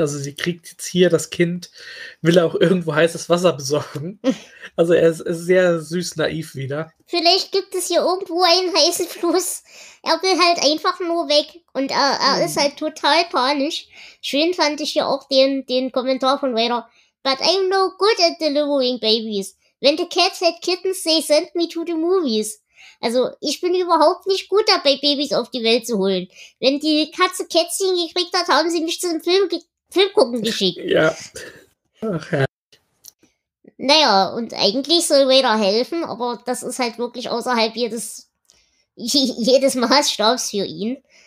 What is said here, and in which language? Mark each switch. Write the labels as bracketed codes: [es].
[de] Also sie kriegt jetzt hier das Kind, will er auch irgendwo heißes Wasser besorgen. Also er ist sehr süß naiv wieder. Vielleicht gibt es hier irgendwo einen heißen Fluss. Er will halt einfach nur weg und er ist halt total panisch. Schön fand ich hier auch den Kommentar von Vader. [en] But I'm no good at delivering babies. When the cats had kittens, they sent me to the movies. [de] Also, ich bin überhaupt nicht gut dabei, Babys auf die Welt zu holen. Wenn die Katze Kätzchen gekriegt hat, haben sie mich zum Filmgucken geschickt. Ja. Ach ja. Naja, und eigentlich soll Vader helfen, aber das ist halt wirklich außerhalb jedes Maßstabs für ihn.